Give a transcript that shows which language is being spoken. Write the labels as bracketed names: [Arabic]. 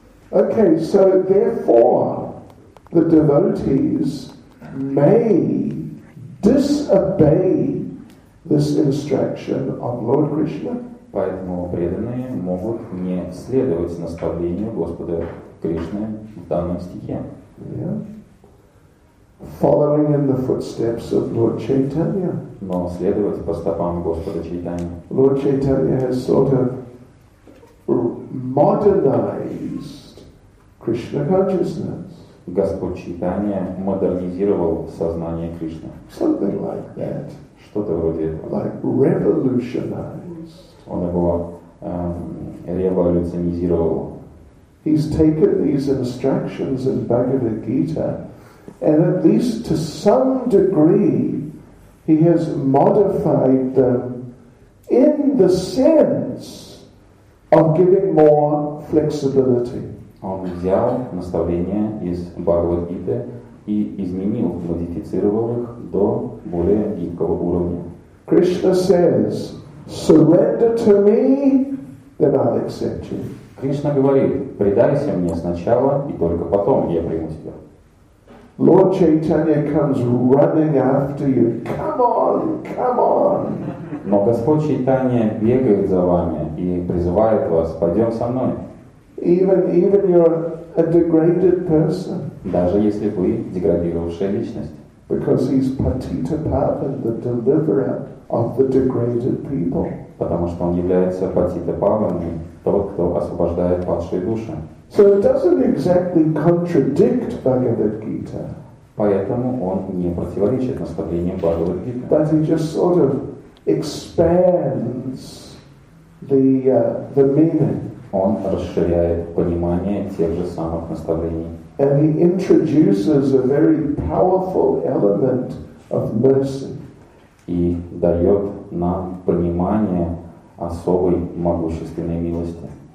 [English] Okay, so therefore, the devotees may disobey this instruction of Lord Krishna. [Russian] Поэтому преданные могут не следовать наставлению Господа Кришны в данном стихе. [English] Following in the footsteps of Lord Chaitanya. [Russian] Но следовать по стопам Господа Чайтаньи. [English] Lord Chaitanya has sort of modernized Krishna consciousness. [Russian] Господь Чайтанья модернизировал сознание Кришны. [English] Something like that. [Russian] Что-то вроде этого. [English] Like revolutionized. [Russian] Он его революционизировал. [English] He's taken these instructions in Bhagavad Gita, and at least to some degree, he has modified them in the sense of giving more flexibility. [Russian] Он взял наставления из Бхагавад-гиты и изменил, модифицировал их до более гибкого уровня. [English] Krishna says, surrender to me, then I'll accept you. [Russian] Кришна говорит, предайся мне сначала, и только потом я приму тебя. [English] Lord Chaitanya comes running after you. Come on, come on. [Russian] Но Господь Чайтанья бегает за вами и призывает вас, пойдем со мной. [English] Even you're a degraded person. [Russian] Даже если вы деградировавшая личность. [English] Because he's Patita Pavan, the deliverer of the degraded people. [Russian] Потому что он является Патита Паван, тот, кто освобождает падшие души. [English] So it doesn't exactly contradict Bhagavad Gita. [Russian] Поэтому он не противоречит наставлениям Бхагавад Гиты. [English] But he just sort of expands the meaning. [Russian] Он расширяет понимание тех же самых наставлений. [English] And he introduces a very powerful element of mercy. [Russian] И дает нам понимание особой могущественной милости.